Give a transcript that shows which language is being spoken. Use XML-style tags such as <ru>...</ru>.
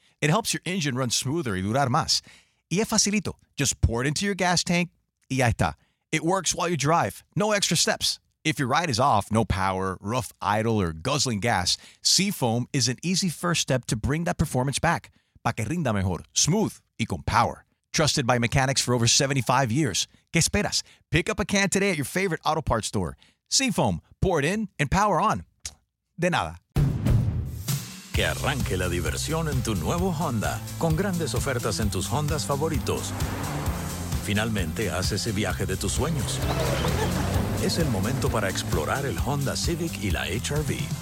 <en>It helps your engine run smoother</en> <es>y durar más. Y es facilito.</es> <en>Just pour it into your gas tank</en> <es>y ya está.</es> <en>It works while you drive. No extra steps. If your ride is off, no power, rough idle, or guzzling gas, Seafoam is an easy first step to bring that performance back. Pa que rinda mejor, smooth, y con power. Trusted by mechanics for over 75 years.</en> <es>¿Qué esperas?</es> <en>Pick up a can today at your favorite auto parts store. Seafoam. Pour it in and power on.</en> <es>De nada. Que arranque la diversión en tu nuevo Honda, con grandes ofertas en tus Hondas favoritos. Finalmente, haz ese viaje de tus sueños. Es el momento para explorar el Honda Civic y la HR-V.</es>